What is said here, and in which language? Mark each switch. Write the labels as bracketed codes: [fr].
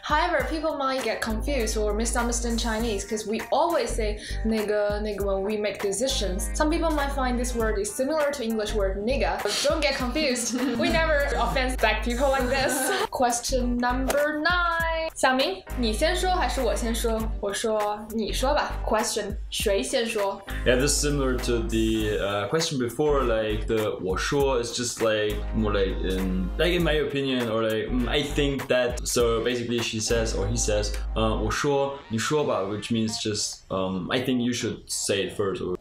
[en] However, people might get confused or misunderstand Chinese because we always say [zh] 那个那个 [en] when we make decisions. Some people might find this word is similar to English word [zh] 那个 [en] but don't get confused. We never offend black people like this. Question number 9. [zh] 小明，你先说还是我先说？我说你说吧 [en] Question [zh] 谁先说 [en] Yeah, this is similar to the、question before Like the [zh] 我说 [en] It's just like More like in Like in my opinion Or like、I think that So basically she says Or he says [zh] 我说你说吧 [en] Which means just、I think you should say it first or...